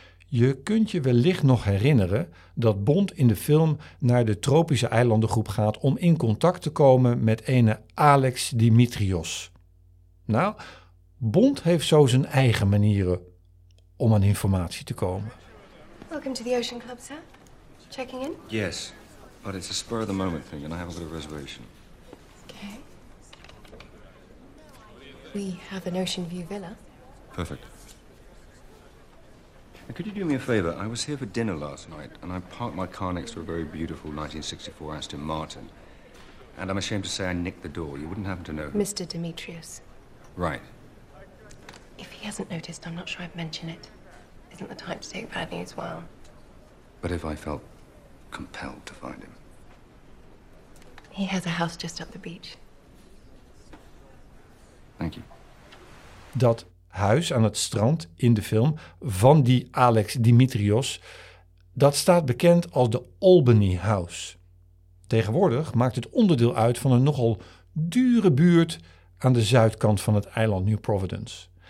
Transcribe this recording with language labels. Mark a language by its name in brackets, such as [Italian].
[Dutch] Je kunt je wellicht nog herinneren dat Bond in de film naar de tropische eilandengroep gaat om in contact te komen met ene Alex Dimitrios. Nou, Bond heeft zo zijn eigen manieren om aan informatie te komen. [English] Welcome to the Ocean Club, sir. Checking in? Yes, but it's a spur of the moment thing and I haven't got a reservation. Okay. We have an ocean view villa. Perfect. Now, could you do me a favor? I was here for dinner last night and I parked my car next to a very beautiful 1964 Aston Martin. And I'm ashamed to say I nicked the door. You wouldn't happen to know. Mr. Dimitrios. Right. If he hasn't noticed, I'm not sure I'd mention it. Isn't the time to take bad news well. But if I felt compelled to find him? He has a house just up the beach. Thank you. [Dutch] Dat huis aan het strand in de film van die Alex Dimitrios, dat staat bekend als de Albany House. Tegenwoordig maakt het onderdeel uit van een nogal dure buurt aan de zuidkant van het eiland New Providence.